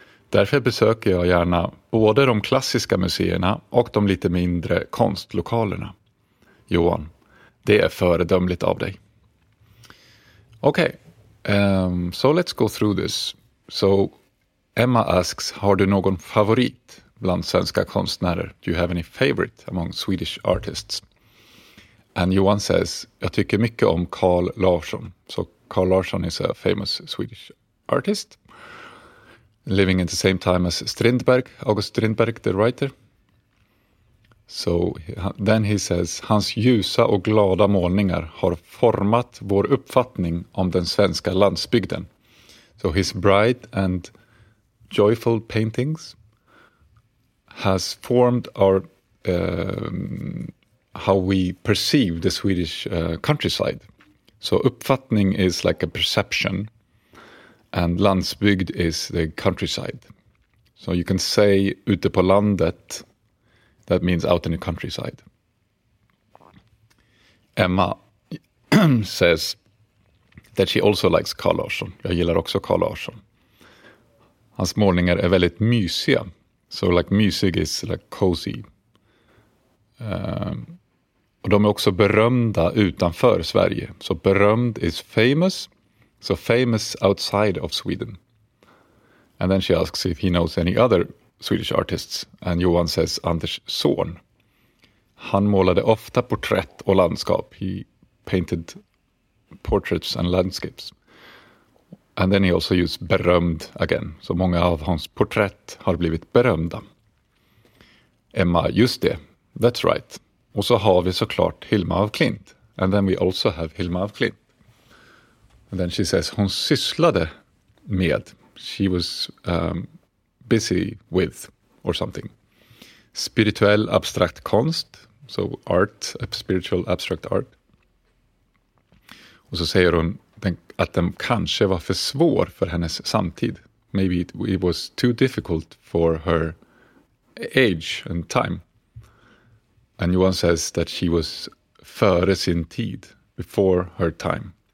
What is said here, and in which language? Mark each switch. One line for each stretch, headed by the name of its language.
Swedish: Därför besöker jag gärna både de klassiska museerna och de lite mindre konstlokalerna. Johan, det är föredömligt av dig. Okej,
English: so let's go through this. So, Emma asks,
Swedish: har du någon favorit bland svenska konstnärer?
English: Do you have any favorite among Swedish artists? And Johan says,
Swedish: jag tycker mycket om Carl Larsson.
English: So, Carl Larsson is a famous Swedish artist. Living at the same time as Strindberg, August Strindberg, the writer. So then he says,
Swedish: hans ljusa och glada målningar har format vår uppfattning om den svenska landsbygden.
English: So his bright and joyful paintings has formed our how we perceive the Swedish countryside. So uppfattning is like a perception, and landsbygd is the countryside. So you can say
Swedish: ute på landet.
English: That means out in the countryside. Emma says that she also likes Carl Larsson.
Swedish: Jag gillar också Carl Larsson. Hans målningar är väldigt mysiga.
English: So like mysig is like cozy.
Swedish: Och de är också berömda utanför Sverige.
English: So berömd is famous. So famous outside of Sweden. And then she asks if he knows any other Swedish artists, and Johan says Anders Zorn.
Swedish: Han målade ofta porträtt och landskap.
English: He painted portraits and landscapes. And then he also used berömd again.
Swedish: Så många av hans porträtt har blivit berömda. Emma, just det.
English: That's right.
Swedish: Och så har vi såklart Hilma af Klint.
English: And then we also have Hilma af Klint. And then she says
Swedish: hon sysslade med.
English: She was busy with or something.
Swedish: Spirituell abstrakt konst,
English: so art, spiritual abstract art.
Swedish: Och så säger hon att den kanske var för svår för hennes samtid.
English: Maybe it was too difficult for her age and time. And Johan says that she was
Swedish: före sin tid,
English: before her time.